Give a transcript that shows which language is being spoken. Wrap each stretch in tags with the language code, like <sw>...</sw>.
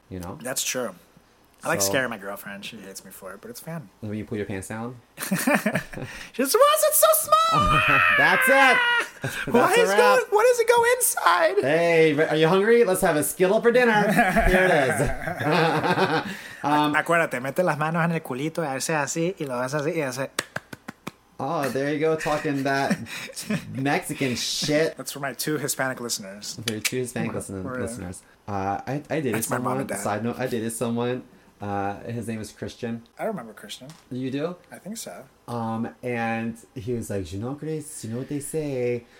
<en>You know. That's true. I like scaring my girlfriend. She hates me for it, but it's fun. Let me pull your pants down. She says, why is it so small? That's it. That's why does it go inside? Hey, are you hungry? Let's have a skillet for dinner. Here it is.</en> <es>Acuérdate, mete las manos en el culito, hace así, y lo haces así, y hace.</es> <en>Oh, there you go, talking that Mexican shit. That's for my two Hispanic listeners. For your two Hispanic listeners. I dated someone. That's my mom and dad. Side note, I dated someone. His name is Christian. I remember Christian. You do? I think so. And he was like, you know, Chris, you know what they say?</en>